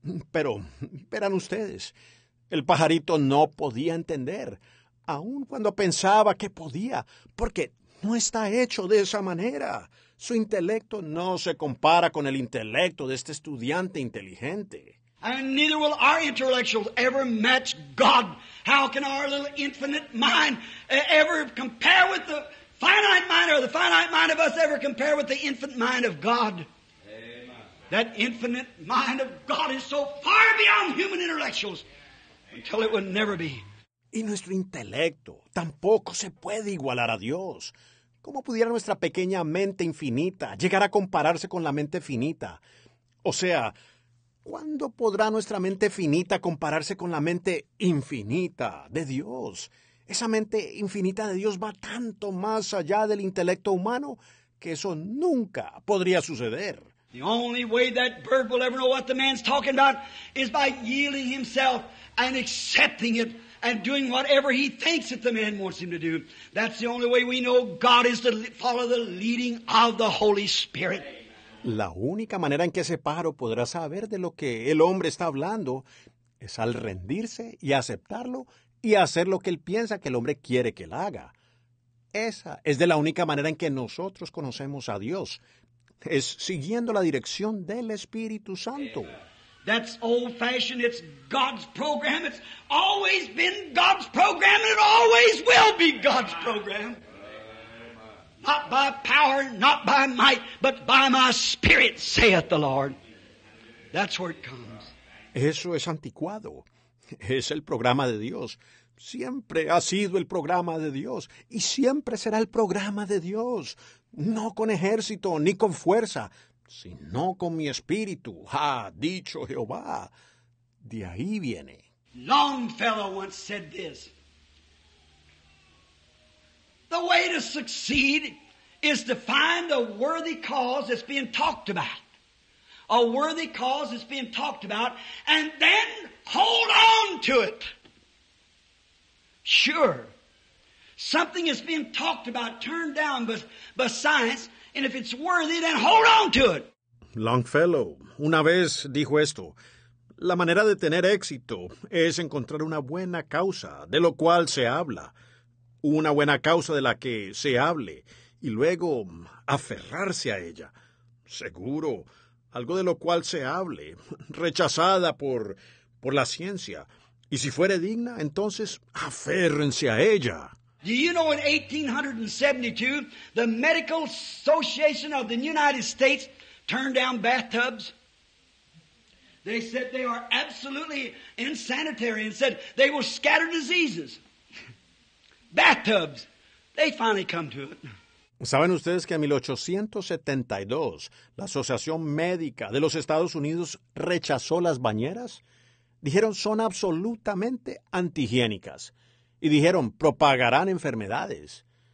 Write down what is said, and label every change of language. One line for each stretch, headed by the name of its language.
Spanish: Pero, verán ustedes, el pajarito no podía entender, aun cuando pensaba que podía, porque no está hecho de esa manera. Su intelecto no se compara con el intelecto de este estudiante inteligente.
English: And neither will our intellectuals ever match God. How can our little infinite mind ever compare with the finite mind, or the finite mind of us ever compare with the infinite mind of God? That infinite mind of God is so far beyond human intellectuals until it would never be.
Spanish: Y nuestro intelecto tampoco se puede igualar a Dios. ¿Cómo pudiera nuestra pequeña mente infinita llegar a compararse con la mente finita? O sea, ¿Cuándo podrá nuestra mente finita compararse con la mente infinita de Dios? Esa mente infinita de Dios va tanto más allá del intelecto humano que eso nunca podría suceder.
English: The only way that bird will ever know what the man's talking about is by yielding himself and accepting it and doing whatever he thinks that the man wants him to do. That's the only way we know God is to follow the leading of the Holy Spirit.
Spanish: La única manera en que ese pájaro podrá saber de lo que el hombre está hablando es al rendirse y aceptarlo y hacer lo que él piensa que el hombre quiere que él haga. Esa es de la única manera en que nosotros conocemos a Dios. Es siguiendo la dirección del Espíritu Santo.
English: That's old fashioned. It's God's program. It's always been God's program, and it always will be God's program. Not by power, not by might, but by my spirit, saith the Lord. That's where it comes.
Spanish: Eso es anticuado. Es el programa de Dios. Siempre ha sido el programa de Dios, y siempre será el programa de Dios. No con ejército ni con fuerza, sino con mi espíritu, ha dicho Jehová. De ahí viene.
English: Longfellow once said this. The way to succeed is to find a worthy cause that's being talked about. A worthy cause that's being talked about, and then hold on to it. Sure. Something is being talked about, turned down by science, and if it's worthy, then hold on to it.
Spanish: Longfellow, una vez dijo esto, la manera de tener éxito es encontrar una buena causa de lo cual se habla, una buena causa de la que se hable, y luego aferrarse a ella. Seguro, algo de lo cual se hable, rechazada por la ciencia, y si fuere digna, entonces aférrense a ella.
English: Do you know in 1872, the Medical Association of the United States turned down bathtubs? They said they are absolutely insanitary and said they will scatter diseases. Bathtubs. They finally come to it.
Spanish: ¿Saben ustedes que en 1872, la Asociación Médica de los Estados Unidos rechazó las bañeras? Dijeron son absolutamente antihigiénicas. Y dijeron, propagarán enfermedades.